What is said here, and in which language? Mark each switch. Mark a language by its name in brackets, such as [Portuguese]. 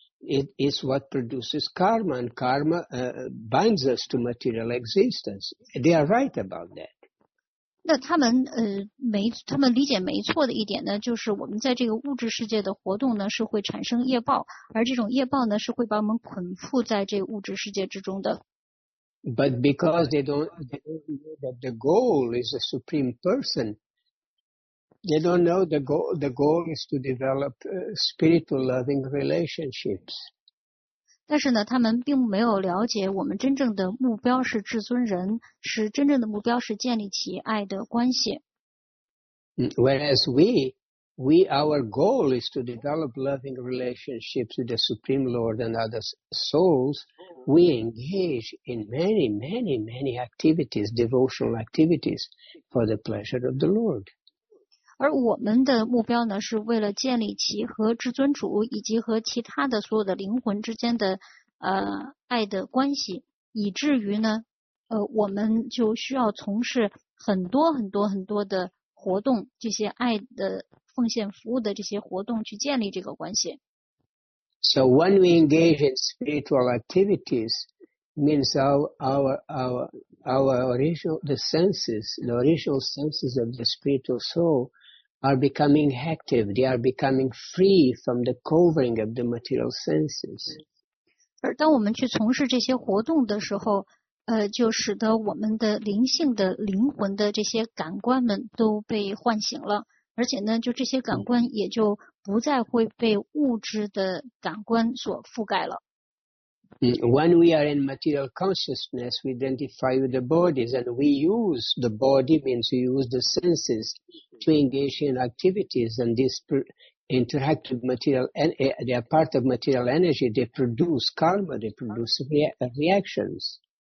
[English] It is what produces karma, and karma binds us to material existence. They are right about that. [Chinese] 那他们理解没错的一点呢，就是我们在这个物质世界的活动呢，是会产生业报，而这种业报呢，是会把我们捆缚在这物质世界之中的。 [English] But because they don't know that the goal is a supreme person. They don't know the goal. The goal is to develop spiritual loving relationships. [Chinese] 但是呢，他们并没有了解我们真正的目标是至尊人，是真正的目标是建立起爱的关系。 [English] Whereas we our goal is to develop loving relationships with the Supreme Lord and other souls. We engage in many, many, many activities, devotional activities, for the pleasure of the Lord. [Chinese] 而我们的目标呢，是为了建立起和至尊主以及和其他的所有的灵魂之间的爱的关系，以至于呢，我们就需要从事很多很多很多的活动，这些爱的奉献服务的这些活动去建立这个关系。 [English] So when we engage in spiritual activities, means our original the original senses of the spiritual soul. Are becoming active. They are becoming free from the covering of the material senses. [Chinese] 而当我们去从事这些活动的时候，就使得我们的灵性的灵魂的这些感官们都被唤醒了，而且呢，就这些感官也就不再会被物质的感官所覆盖了。 [English] When we are in material consciousness, we identify with the bodies, and we use the body, means we use the senses to engage in activities, and these interact with material, they are part of material energy, they produce karma, they produce reactions.